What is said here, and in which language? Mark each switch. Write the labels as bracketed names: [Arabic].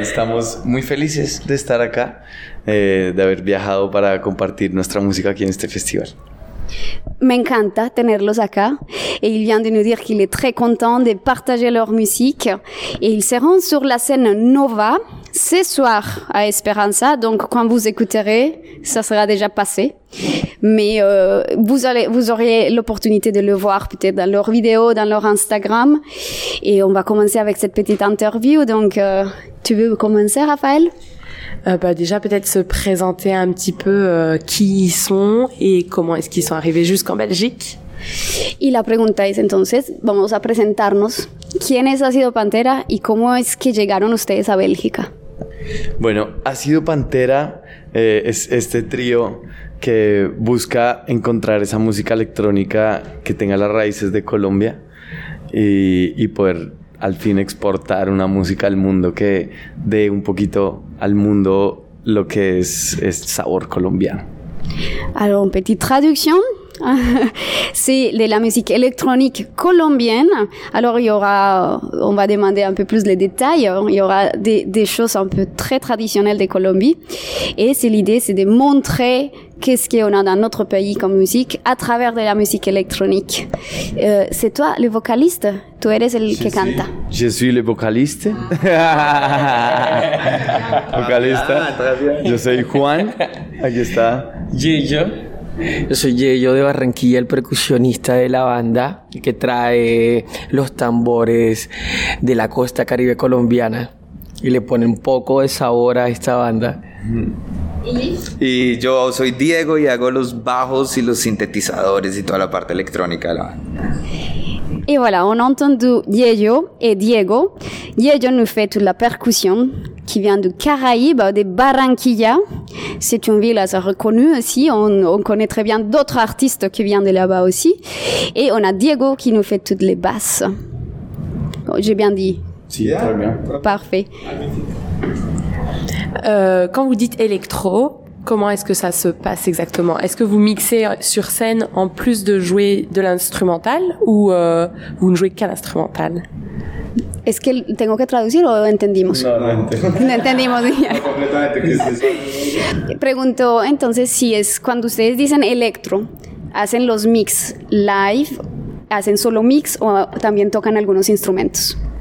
[Spanish] Estamos muy felices de estar acá, de haber viajado para compartir nuestra música aquí en este festival. Me encanta tenerlos acá. [French] Et il vient de nous dire qu'il est très content de partager leur musique. Et ils seront sur la scène Nova ce soir à Esperanza. Donc, quand vous écouterez, ça sera déjà passé. Mais vous auriez l'opportunité de le voir peut-être dans leur vidéo, dans leur Instagram. Et on va commencer avec cette petite interview. Donc, tu veux commencer, Raphaël? Déjà, peut-être se présenter un petit peu qui ils sont et comment est-ce qu'ils sont arrivés jusqu'en Belgique. [Spanish] Y la pregunta es entonces, vamos a presentarnos, ¿quién es Acido Pantera y cómo es que llegaron ustedes a Bélgica? Bueno, Acido Pantera es este trío que busca encontrar esa música electrónica que tenga las raíces de Colombia y poder al fin exportar una música al mundo que dé un poquito al mundo lo que es sabor colombiano. [French] Alors, une petite traducción. C'est de la musique électronique colombienne. Alors, on va demander un peu plus les détails. Il y aura des choses un peu très traditionnelles de Colombie. Et c'est l'idée, c'est de montrer qu'est-ce qu'on a dans notre pays comme musique à travers de la musique électronique. C'est toi le vocaliste? [Spanish] Tu eres el que canta. [French] Je suis le vocaliste. Vocaliste. Je suis Juan. [Spanish] Aquí está. Gillo. Yo soy Yeyo de Barranquilla, el percusionista de la banda, que trae los tambores de la costa caribe colombiana y le pone un poco de sabor a esta banda. Y yo soy Diego y hago los bajos y los sintetizadores y toda la parte electrónica de la banda. [French] Y voilà, on a entendu Yeyo y Diego. Yeyo nous fait toute la percussion. Qui vient du Caraïbe, de Barranquilla. C'est une ville assez reconnue aussi. On connaît très bien d'autres artistes qui viennent de là-bas aussi. Et on a Diego qui nous fait toutes les basses. J'ai bien dit. Si, yeah. Très bien. Parfait. Quand vous dites électro, comment est-ce que ça se passe exactement? Est-ce que vous mixez sur scène en plus de jouer de l'instrumental ou vous ne jouez qu'à l'instrumental? [Spanish] ¿Es que tengo que traducir o entendimos? No entendimos. No completamente. ¿Qué es eso? Pregunto entonces si es cuando ustedes dicen electro, ¿hacen los mix live, hacen solo mix o también tocan algunos instrumentos?